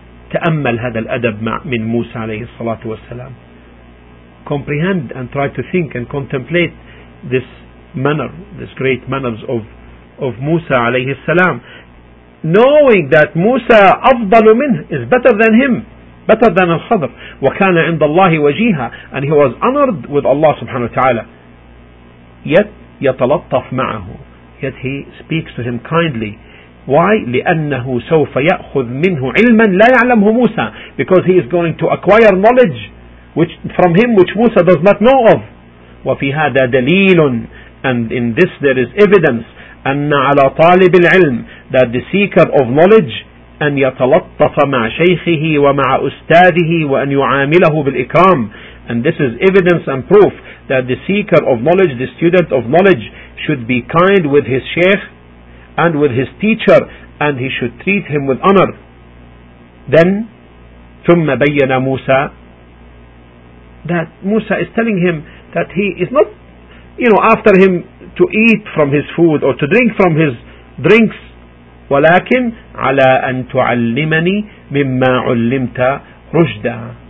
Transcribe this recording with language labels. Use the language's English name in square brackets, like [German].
[Arabic] تأمل هذا الأدب من موسى عليه الصلاة والسلام. [English] Comprehend and try to think and contemplate this manner, this great manners of Musa alayhi salam, knowing that Musa [Arabic] أفضل منه, [English] is better than him, better than Al-Khidr. [Arabic] وكان عند الله وجيها, [English] and he was honored with Allah subhanahu wa ta'ala. Yet [Arabic] يتلطف معه, [English] yet he speaks to him kindly. Why? [Arabic] لأنه سوف يأخذ منه علما لا يعلمه موسى. [English] Because he is going to acquire knowledge which from him which Musa does not know of. [Arabic] وفي هذا دليل. [English] And in this there is evidence [Arabic] أن على طالب العلم [English] that the seeker of knowledge [Arabic] أن يتلطف مع شيخه ومع أستاذه وأن يعامله بالإكرام. [English] And this is evidence and proof that the seeker of knowledge, the student of knowledge, should be kind with his sheikh and with his teacher, and he should treat him with honor. Then, [Arabic] ثم بين موسى, [English] that Musa is telling him that he is not, you know, after him to eat from his food or to drink from his drinks, [Arabic] ولكن على أن تعلمني مما علمت رشدا.